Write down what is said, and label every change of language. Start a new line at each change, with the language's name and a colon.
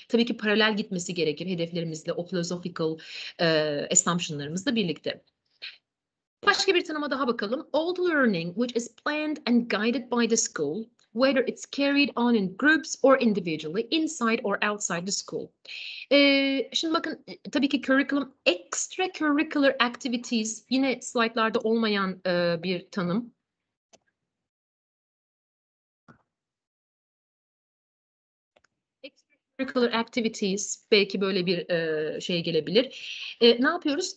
Turkish: Tabii ki paralel gitmesi gerekir hedeflerimizle, o philosophical assumptionlarımızla birlikte. Başka bir tanıma daha bakalım.
English: All the learning which is planned and guided by the school, whether it's carried on in groups or individually, inside or outside the school.
Turkish: Şimdi bakın, tabii ki curriculum, extra curricular activities, yine slaytlarda olmayan bir tanım. Curricular activities belki böyle bir şey gelebilir. Ne yapıyoruz?